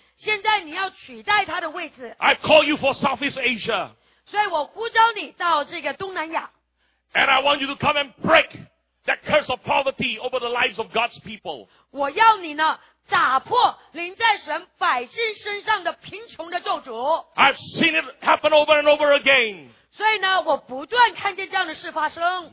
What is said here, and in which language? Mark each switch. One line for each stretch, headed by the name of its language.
Chinese: 现在你要取代他的位置,
English: I call you for Southeast Asia.
Chinese: 所以我呼召你到这个东南亚,
English: and I want you to come and break that curse of poverty over the lives of God's people.
Chinese: 我要你呢, 打破临在神百姓身上的贫穷的咒诅。
English: I've seen it happen over and over again.
Chinese: 所以呢, 我不断看见这样的事发生。